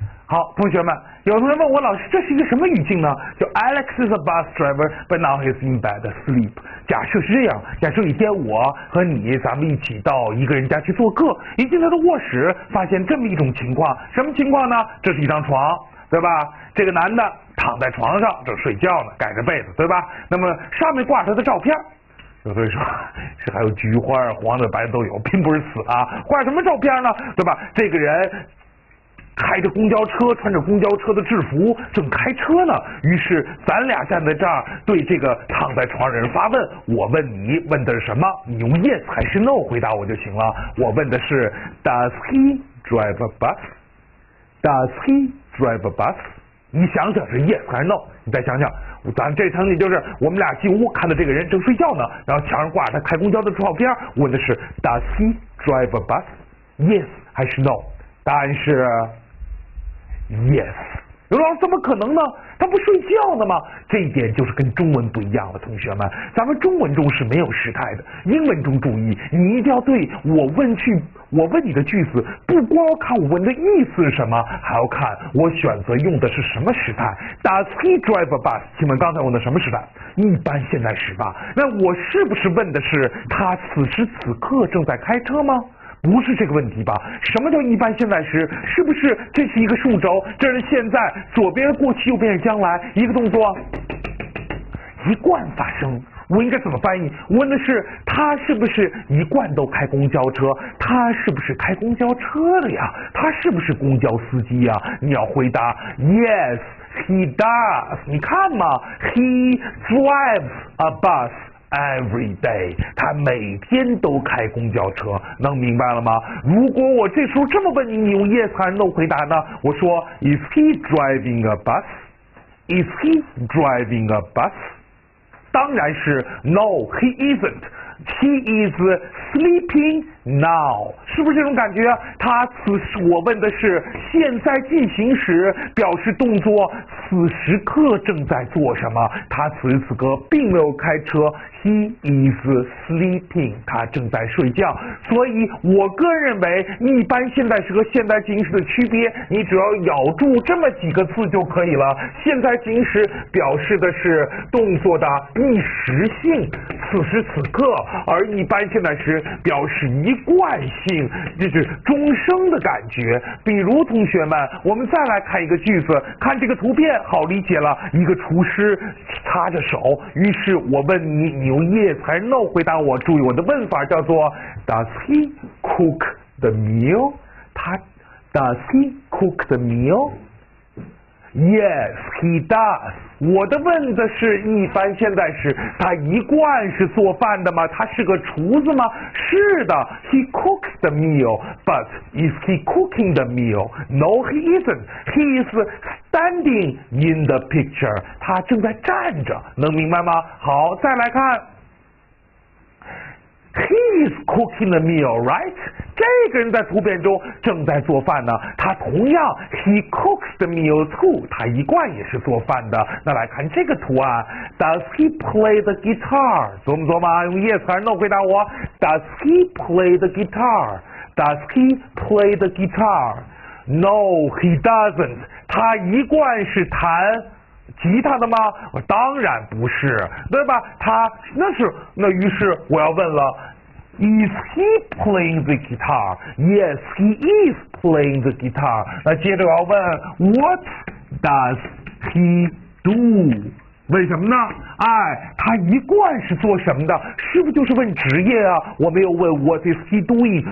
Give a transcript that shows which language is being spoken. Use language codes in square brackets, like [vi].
[zh] 好，同学们，有同学问我老师，这是一个什么语境呢？ [en] 就 Alex is a bus driver, but now he's in bed asleep。 [zh] 假设是这样，假设一天我和你咱们一起到一个人家去做客，一进他的卧室，发现这么一种情况，什么情况呢？这是一张床，对吧？这个男的躺在床上正睡觉呢，盖着被子，对吧？那么上面挂着他的照片。有同学说，是还有菊花，黄的白的都有，并不是死啊，挂什么照片呢？对吧？这个人开着公交车，穿着公交车的制服，正开车呢。于是咱俩站在这儿，对这个躺在床上的人发问。我问你，问的是什么？你用 yes 还是 no 回答我就行了。我问的是 [en] ，Does he drive a bus? Does he drive a bus? [zh] 你想想是 yes 还是 no? 你再想想，咱这场景就是我们俩进屋看到这个人正睡觉呢，然后墙上挂着他开公交的照片，问的是 [en] Does he drive a bus? [zh] Yes 还是 no? 答案是 yes。刘老师怎么可能呢？他不睡觉呢吗？这一点就是跟中文不一样了，同学们，咱们中文中是没有时态的。英文中注意，你一定要对我问你的句子，不光要看我问的意思是什么，还要看我选择用的是什么时态。 [en] Does he drive a bus? [zh] 请问刚才问的什么时态？一般现在时吧。那我是不是问的是他此时此刻正在开车吗？不是这个问题吧？什么叫一般现在时？是不是这是一个数轴？这是现在，左边过去，右边是将来，一个动作一贯发生。我应该怎么翻译？我问的是他是不是一贯都开公交车？他是不是开公交车的呀？他是不是公交司机呀？你要回答 [en] Yes, he does。 [zh] 你看嘛， [en] He drives a busEvery day, [zh] 他每天都开公交车，能明白了吗？如果我这时候这么问你，你用 yes 还是 no 回答呢？ [en] 我说 Is he driving a bus? Is he driving a bus? 当然是 No, he isn't. He is sleeping now. [zh] 是不是这种感觉？他此时，我问的是现在进行时，表示动作此时刻正在做什么。他此时此刻并没有开车。 [en] He is sleeping, [zh] 他正在睡觉。所以我个人认为一般现在时和现在进行时的区别，你只要咬住这么几个字就可以了。现在进行时表示的是动作的一时性，此时此刻，而一般现在时表示一贯性，就是终生的感觉。比如同学们，我们再来看一个句子，看这个图片好理解了，一个厨师擦着手，于是我问你，你用 yes 还是 no 回答我。注意我的问法叫做 [en] Does he cook the meal? Does he cook the meal? Yes, he does. [zh] 我的问的是一般现在时，他一贯是做饭的吗？他是个厨子吗？是的， [en] he cooks the meal. But is he cooking the meal? No, he isn't. He is standing in the picture. [zh] 他正在站着，能明白吗？好，再来看。 [en] He is cooking the meal, right? [zh] 这个人在图片中正在做饭呢。他同样 [en] ，he cooks the meal too. [zh] 他一贯也是做饭的。那来看这个图案 ， [en] Does he play the guitar? [zh] 琢磨琢磨，用 yes 还是 no 回答我 ？ [en] Does he play the guitar? Does he play the guitar? No, he doesn't. [zh] 他一贯是弹吉他的吗？我当然不是，对吧？他那是，那于是我要问了 ， [en] Is he playing the guitar? Yes, he is playing the guitar. [zh] 那接着我要问 [en] ，What does he do? [zh] 为什么呢？哎，他一贯是做什么的？是不是就是问职业啊？我没有问 [en] What is he doing?